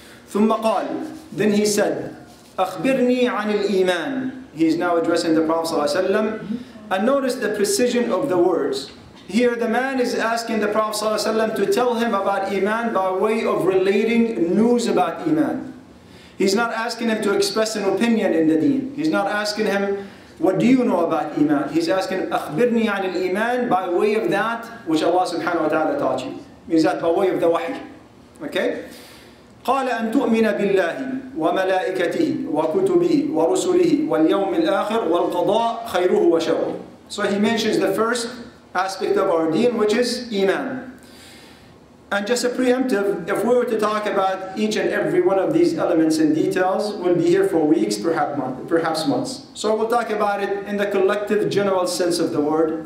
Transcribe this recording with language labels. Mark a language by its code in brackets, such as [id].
[ar] ثم قال, [en] then he said, [ar] أخبرني عن الإيمان. [en] He is now addressing the Prophet ﷺ. And notice the precision of the words. Here the man is asking the Prophet ﷺ to tell him about Iman by way of relating news about Iman. He's not asking him to express an opinion in the deen. He's not asking him, what do you know about Iman? He's asking, [ar] أخبرني عن الإيمان [en] by way of that which Allah subhanahu wa ta'ala taught you. Means that by way of the wahi. Okay? [ar] قال أن تؤمن بالله وملائكته وكتبه ورسله واليوم الآخر والقضاء خيره وشره. [en] So he mentions the first aspect of our deen, which is Iman. And just a preemptive, if we were to talk about each and every one of these elements in details, we'll be here for weeks, perhaps months. So we'll talk about it in the collective general sense of the word.